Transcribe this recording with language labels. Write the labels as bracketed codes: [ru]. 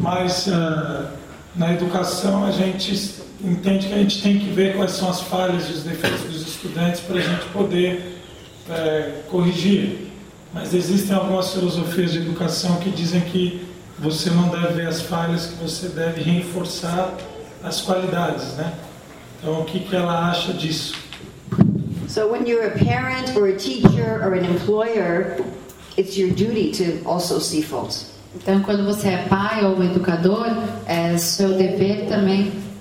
[pt] Mas na educação a gente entende que a gente tem que ver quais são as falhas e os defeitos dos estudantes para a gente poder corrigir, mas existem algumas filosofias de educação que dizem que você não deve ver as falhas, que você deve reforçar as qualidades, né? Então, o que que ela acha disso? [en] So when you're a parent or a teacher or an employer, it's your duty to also see faults. [pt] Então, quando você é pai ou um educador, é seu dever também.